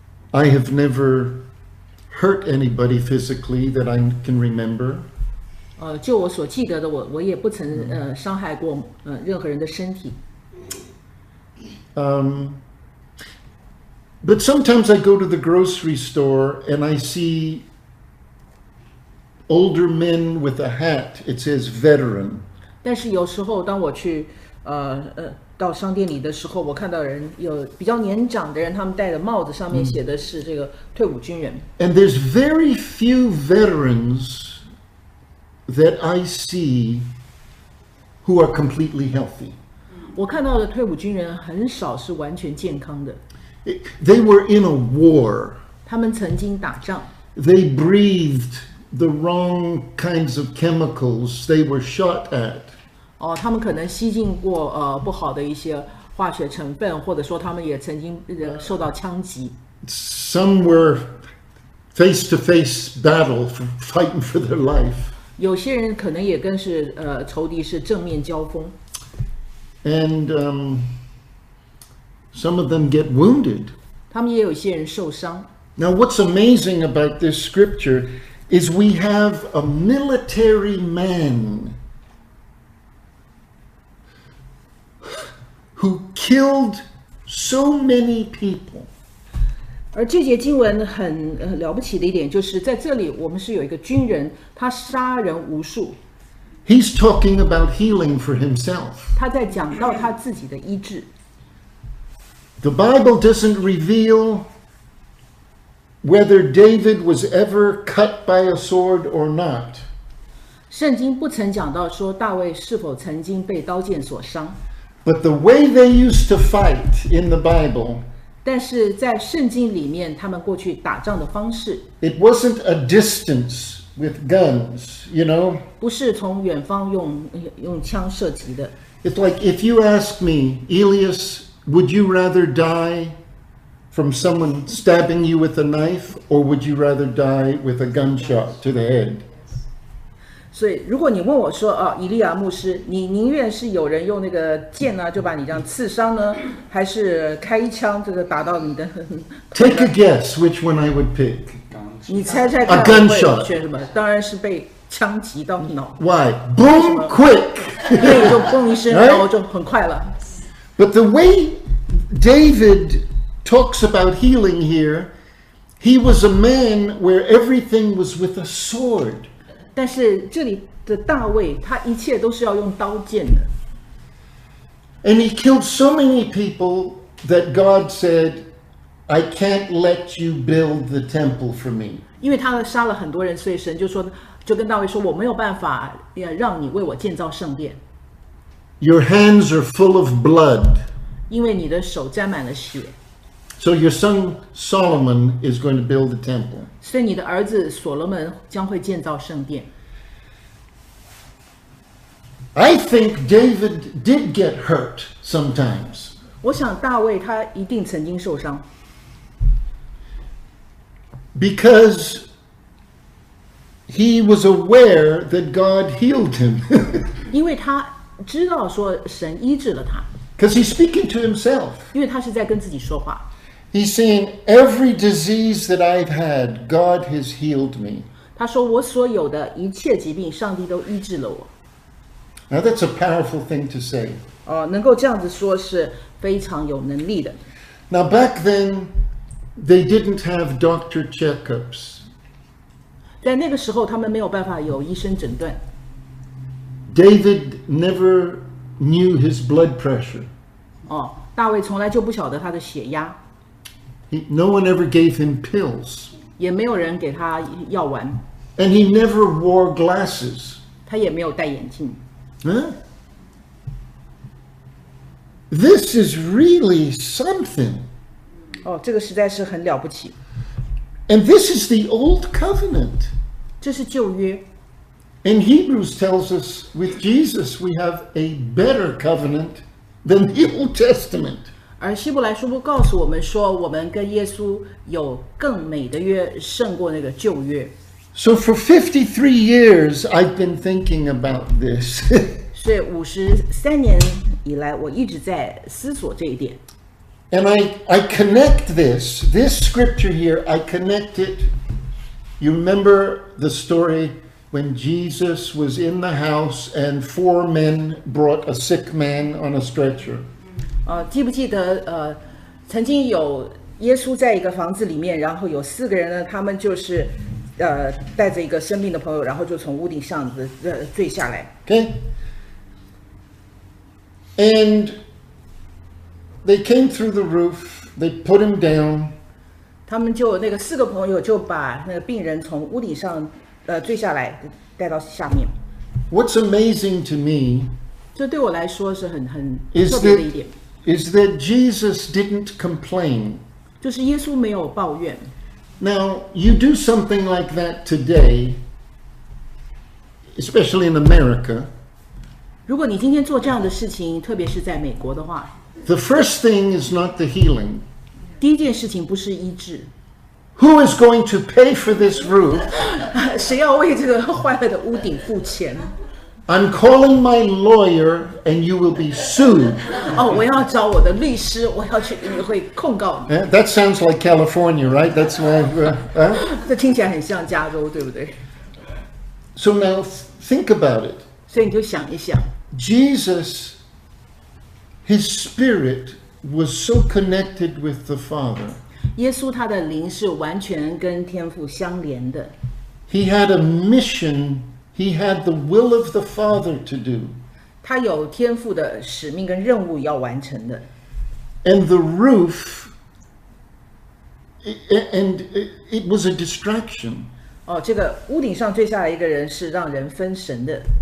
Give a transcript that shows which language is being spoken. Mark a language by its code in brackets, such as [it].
[en] I have never hurt anybody physically that I can remember. [zh] 就我所记得的，我也不曾伤害过任何人的身体。 [en] But sometimes I go to the grocery store and I see older men with a hat. It says veteran. [zh] 但是有时候当我去到商店里的时候，我看到人有比较年长的人，他们戴的帽子上面写的是这个退伍军人。 [en] And there's very few veterans that I see who are completely healthy. [zh] 我看到的退伍军人很少是完全健康的。 [en] They were in a war. [zh] 他们曾经打仗。 [en] They breathed the wrong kinds of chemicals they were shot at. [zh] 他们可能吸进过不好的一些化学成分，或者说他们也曾经受到枪击。 [en] Some were face to face battle, fighting for their life. [zh] 有些人可能也更是仇敌是正面交锋。 [en] And some of them get wounded. [zh] 他们也有些人受伤。 [en] Now what's amazing about this scripture is we have a military man. Who killed so many people? [zh] 而这节经文很了不起的一点，就是在这里我们是有一个军人，他杀人无数。 [en] He's talking about healing for himself. [zh] 他在讲到他自己的医治。 [en] The Bible doesn't reveal whether David was ever cut by a sword or not. [zh] 圣经不曾讲到说大卫是否曾经被刀剑所伤。 [en] But the way they used to fight in the Bible, [zh] 但是在圣经里面，他们过去打仗的方式 [en] ，it wasn't a distance with guns, you know. [zh] 不是从远方用枪射击的。 [en] It's like if you ask me, Elias, would you rather die from someone stabbing you with a knife, or would you rather die with a gunshot to the head? [zh] 所以如果你问我说以利亚牧师，你宁愿是有人用那个剑呢就把你这样刺伤呢，还是开一枪这个打到你的 [en] Take a guess which one I would pick. [zh] 你猜猜看我会选什么？当然是被枪击到脑。 [en] Why? Boom, quick. [zh] 所以就嘣一声，然后就很快了。 [en] But the way David talks about healing here, he was a man where everything was with a sword. [zh] 但是这里的大卫，他一切都是要用刀剑的。 [en] And he killed so many people that God said, "I can't let you build the temple for me." [zh] 因为他杀了很多人，所以神就说，就跟大卫说，我没有办法让你为我建造圣殿。 [en] Your hands are full of blood. [zh] 因为你的手沾满了血。 [en] So your son Solomon is going to build the temple. [zh] 所以你的儿子所罗门将会建造圣殿。 [en] I think David did get hurt sometimes. [zh] 我想大卫他一定曾经受伤。 [en] Because he was aware that God healed him. [zh] 因为他知道说神医治了他。 [en] Because he's speaking to himself. [zh] 因为他是在跟自己说话。 [en] He's saying, every disease that I've had, God has healed me. [zh] 他说我所有的一切疾病，上帝都医治了我。 [en] Now that's a powerful thing to say. [zh] 能够这样子说是非常有能力的。 [en] Now back then, they didn't have doctor checkups. [zh] 在那个时候，他们没有办法有医生诊断。 [en] David never knew his blood pressure. [zh] 大卫从来就不晓得他的血压。 [en] No one ever gave him pills. [zh] 也没有人给他药丸。 [en] And he never wore glasses. [zh] 他也没有戴眼镜。 [en] This is really something. [zh] 这个实在是很了不起。 [en] And this is the old covenant. [zh] 这是旧约。 [en] And Hebrews tells us with Jesus we have a better covenant than the Old Testament. [zh] 而希伯来书告诉我们说，我们跟耶稣有更美的约，胜过那个旧约。 [en] So for 53 years, I've been thinking about this. [zh] 所以53年以来，我一直在思索这一点。 [en] And I connect this scripture here, I connect it. You remember the story when Jesus was in the house and four men brought a sick man on a stretcher? [zh] 记不记得曾经有耶稣在一个房子里面，然后有四个人呢，他们就是带着一个生病的朋友，然后就从屋顶上子坠下来。 [en] Okay. And they came through the roof. They put him down. [zh] 他们就那个四个朋友就把那个病人从屋顶上坠下来，带到下面。 [en] What's amazing to me? [zh] 这对我来说是很特别的一点。 [en] Is that Jesus didn't complain? [zh] 就是耶稣没有抱怨。 [en] Now, you do something like that today, especially in America. [zh] 如果你今天做这样的事情，特别是在美国的话， [en] the first thing is not the healing. [zh] 第一件事情不是医治。 [en] Who is going to pay for this roof? [zh] 谁要为这个坏了的屋顶付钱？ [en] I'm calling my lawyer and you will be sued. [zh] 我要找我的律师，我要去你会控告你。 [en] That sounds like California, right? That's why. [zh] 这听起来很像加州，对不对？ [en] So now think about it. [zh] 所以你就想一想。 [en] Jesus, his spirit was so connected with the Father. [zh] 耶稣他的灵是完全跟天父相连的。 [en] He had a mission. He had the will of the Father to do. [zh] 他有天父的使命跟任务要完成的。 [en] And the roof, and it was a distraction. [zh] 这个屋顶上坠下来一个人是让人分神的。